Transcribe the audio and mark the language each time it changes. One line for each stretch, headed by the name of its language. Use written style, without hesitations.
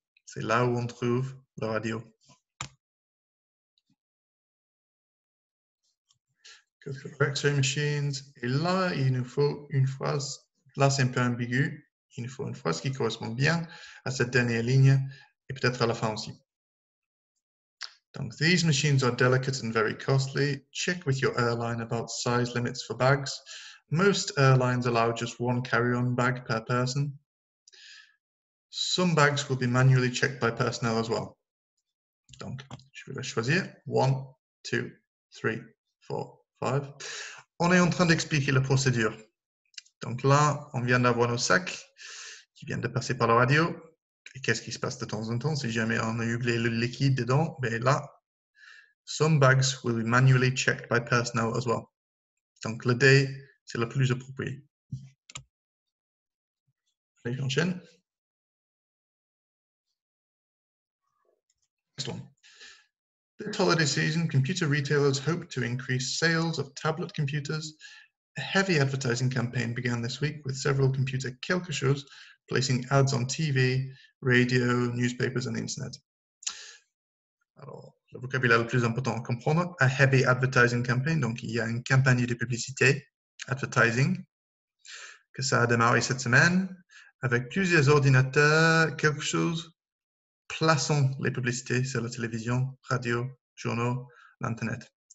French: C'est là où on trouve la radio. X-ray machines. Et là, il nous faut une phrase. Là, c'est un peu ambigu. Il nous faut une phrase qui correspond bien à cette dernière ligne et peut-être à la fin aussi.
English: Donc, these machines are delicate and very costly. Check with your airline about size limits for bags. Most airlines allow just one carry-on bag per person. Some bags will be manually checked by personnel as well.
French: Donc, je vais la choisir. 1, 2, 3, 4, 5. On est en train d'expliquer la procédure. Donc là, on vient d'avoir nos sacs qui viennent de passer par la radio. Et qu'est-ce qui se passe de temps en temps si jamais on a oublié le liquide dedans? Ben là,
English: some bags will be manually checked by personnel as well.
French: Donc le D, c'est le plus approprié. Allez, j'enchaîne.
English: This holiday season, computer retailers hope to increase sales of tablet computers. A heavy advertising campaign began this week with several computer
French: quelque
English: shows placing ads on TV, radio, newspapers and the internet.
French: Alors, le vocabulaire le plus important à comprendre,
English: a heavy advertising campaign,
French: donc il y a une campagne de publicité, advertising, que ça a démarré cette semaine, avec plusieurs ordinateurs, quelque chose, plaçons les publicités sur la télévision, radio, journaux, l'internet.